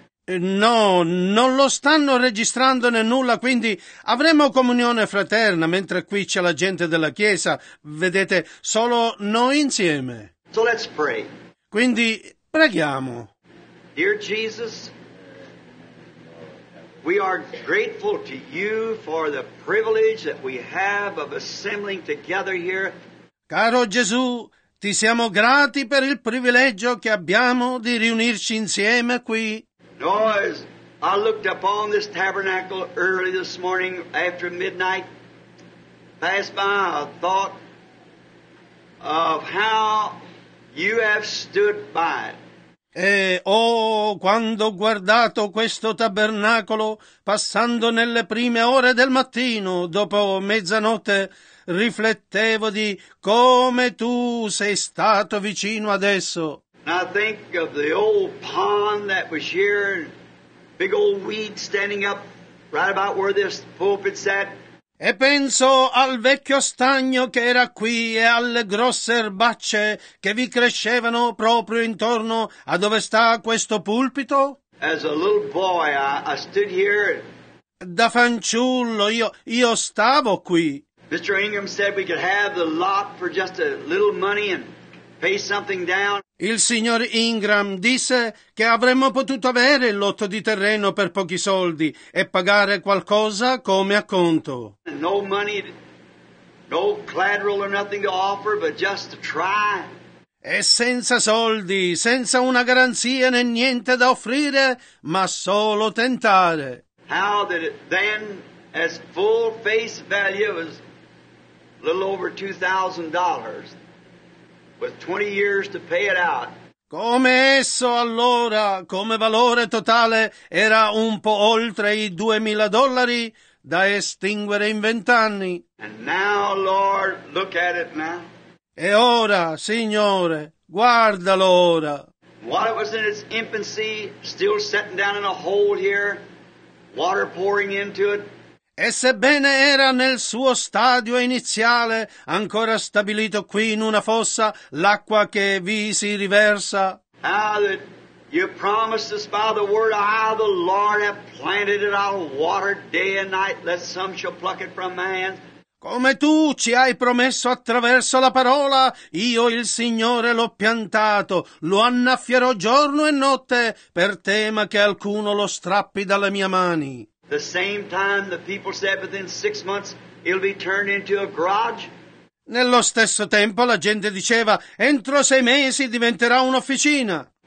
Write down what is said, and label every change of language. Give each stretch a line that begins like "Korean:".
Italian: No, non lo stanno registrando né nulla, quindi avremo comunione fraterna mentre qui c'è la gente della chiesa, vedete, solo noi insieme.
English: So let's pray.
Italian: Quindi preghiamo.
English: Dear Jesus, we are grateful to you for the privilege that we have of assembling together here.
Italian: Caro Gesù, ti siamo grati per il privilegio che abbiamo di riunirci insieme qui.
English: No, as I looked upon this tabernacle early this morning after midnight, passed by a thought of how you have stood by it.
Italian: E oh, quando ho guardato questo tabernacolo, passando nelle prime ore del mattino, dopo mezzanotte, riflettevo di come tu sei stato vicino adesso.
English: Now think of the old pond that was here, big old weed standing up right about where this pulpit sat.
Italian: E penso al vecchio stagno che era qui e alle grosse erbacce che vi crescevano proprio intorno a dove sta questo pulpito.
English: As a little boy, I stood here.
Italian: Da fanciullo, io stavo qui.
English: Mr. Ingram said we could have the lot for just a little money and pay something down.
Italian: Il signor Ingram disse che avremmo potuto avere il lotto di terreno per pochi soldi e pagare qualcosa come acconto.
English: No money, no collateral or nothing to offer, but just to try.
Italian: E senza soldi, senza una garanzia né niente da offrire, ma solo tentare.
English: How that it then, as full face value, was a little over $2,000. With 20 years to pay it out.
Italian: Come esso allora, come valore totale, era un po' oltre i $2,000 da estinguere in 20 anni.
English: And now, Lord, look at it now.
Italian: E ora, Signore, guardalo ora.
English: While it was in its infancy, still sitting down in a hole here, water pouring into it.
Italian: E sebbene era nel suo stadio iniziale, ancora stabilito qui in una fossa, l'acqua che vi si riversa.
English: How that you promised us by the word, I, the Lord, have planted it, I'll water day and night, lest some shall pluck it from my hands.
Italian: Come tu ci hai promesso attraverso la parola, io il Signore l'ho piantato, lo annaffierò giorno e notte, per tema che alcuno lo strappi dalle mie mani.
English: The same time the people said within 6 months it'll be turned into a garage.
Italian: Nello stesso tempo la gente diceva entro 6 mesi diventerà un'officina.